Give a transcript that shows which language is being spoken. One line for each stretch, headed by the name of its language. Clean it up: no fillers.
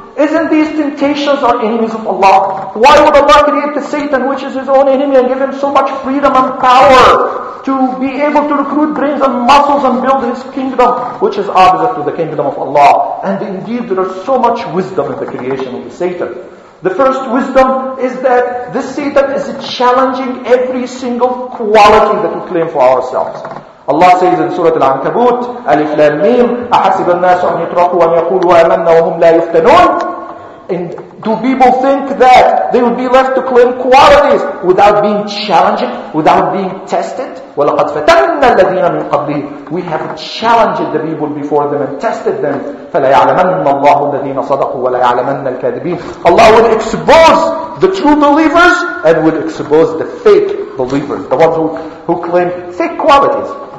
English: Isn't these temptations are enemies of Allah? Why would Allah create the Satan, which is His own enemy, and give him so much freedom and power to be able to recruit brains and muscles and build His kingdom, which is opposite to the kingdom of Allah? And indeed, there is so much wisdom in the creation of the Satan. The first wisdom is that this Satan is challenging every single quality that we claim for ourselves. Allah says in Surah Al-Ankabut,
Arabic: Alif Lam Mim, أحسب الناس أن يتركوا أن يقولوا آمنا وهم لا يفتنون.
English: And do people think that they would be left to claim qualities without being challenged, without being tested?
Arabic: وَلَقَدْ فَتَنَّ الَّذِينَ مِنْ قَبْلِهِ
English: We have challenged the people before them and tested them.
Arabic: فَلَيَعْلَمَنَّ اللَّهُ الَّذِينَ صَدَقُوا وَلَيَعْلَمَنَّ الْكَاذِبِينَ
English: Allah will expose the true believers and will expose the fake believers, the ones who claim fake qualities.